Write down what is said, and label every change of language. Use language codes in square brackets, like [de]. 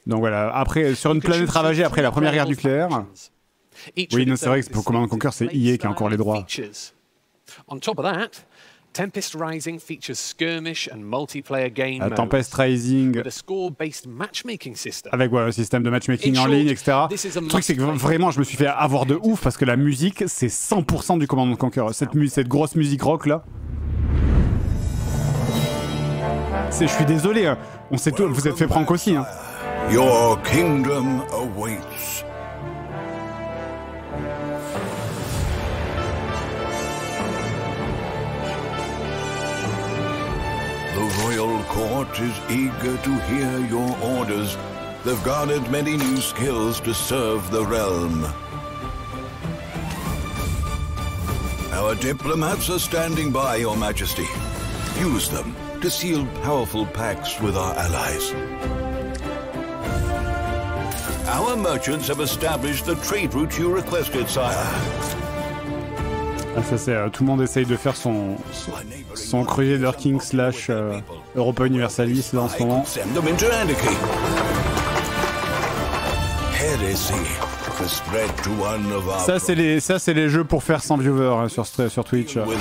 [fr] Donc voilà, après, sur une planète ravagée après la première guerre nucléaire. Oui, non, c'est vrai que pour Command & Conquer, c'est EA qui a encore les droits. [en] On top of that, Tempest Rising features skirmish and multiplayer game. Tempest Rising. With a score-based matchmaking system. [fr] Avec ouais, un système de matchmaking en ligne, etc. Le truc, c'est que vraiment, je me suis fait avoir de ouf parce que la musique, c'est 100% du Command & Conquer. Cette grosse musique rock là. C'est, je suis désolé, on sait tout, vous êtes fait prank aussi. Hein. [en] Your kingdom awaits. The royal court is eager to hear your orders. They've garnered many new skills to serve the realm. Our diplomats are standing by, Your Majesty. Use them. To seal powerful pacts with our allies. Our merchants have established the trade route you requested, sire. [fr] Ah, ça c'est, tout le monde essaye de faire son Crusader King slash Europa Universalis là en ce moment. [en] Send them into anarchy. Heresy. [fr] Ça c'est les jeux pour faire 100 viewers hein, sur Twitch.